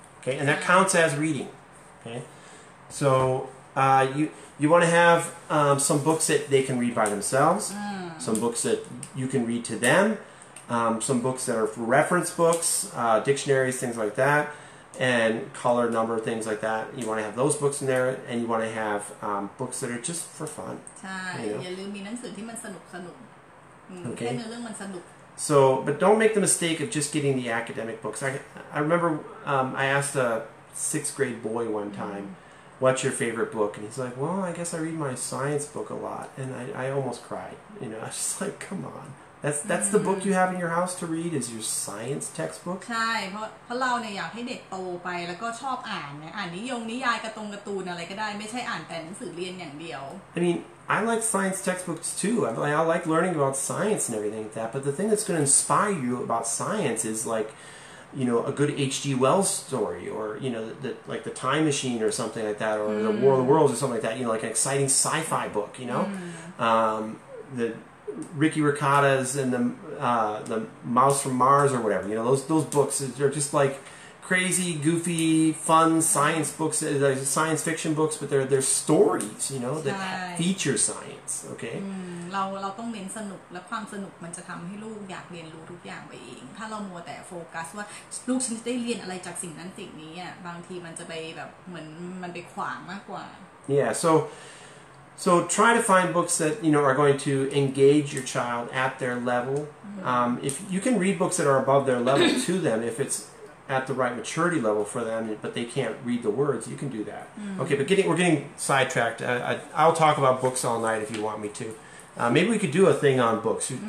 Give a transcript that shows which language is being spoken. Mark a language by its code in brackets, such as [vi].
[en] Okay, and that counts as reading. Okay. So, you want to have some books that they can read by themselves, some books that you can read to them, some books that are for reference books, dictionaries, things like that, and color, number, things like that. You want to have those books in there, and you want to have books that are just for fun. [th] ใช่ อย่าลืมมีหนังสือที่มันสนุกสนุก [en] Okay. [th] ให้เนื้อเรื่องมันสนุก [en] So, but don't make the mistake of just getting the academic books. I remember I asked a sixth grade boy one time, what's your favorite book? And he's like, well, I guess I read my science book a lot. And I almost cried. You know, I was just like, come on. That's the book you have in your house to read is your science textbook? [th] ใช่เพราะเราเนี่ยอยากให้เด็กโตไปแล้วก็ชอบอ่านไงอ่านนิยงนิยายการ์ตูนอะไรก็ได้ไม่ใช่อ่านแต่หนังสือเรียนอย่างเดียว [en] I mean, I like science textbooks too. I like learning about science and everything like that. But the thing that's going to inspire you about science is like... You know, a good H.G. Wells story, or you know, like the Time Machine, or something like that, or the War of the Worlds, or something like that. You know, like an exciting sci-fi book. You know, the Ricky Ricotta's and the Mouse from Mars, or whatever. You know, those books are just like crazy, goofy, fun science books, science fiction books, but they're stories. You know, that feature science. Okay. [th] เราต้องเน้นสนุกและความสนุกมันจะทำให้ลูกอยากเรียนรู้ทุกอย่างไปเองถ้าเรามัวแต่โฟกัสว่าลูกฉันจะได้เรียนอะไรจากสิ่งนั้นสิ่งนี้อ่ะบางทีมันจะไปแบบเหมือนมันไปขวางมากกว่า [en] Yeah so try to find books that you know are going to engage your child at their level if you can read books that are above their level to them if it's at the right maturity level for them but they can't read the words you can do that okay but we're getting sidetracked I'll talk about books all night if you want me to maybe we could do a thing on books.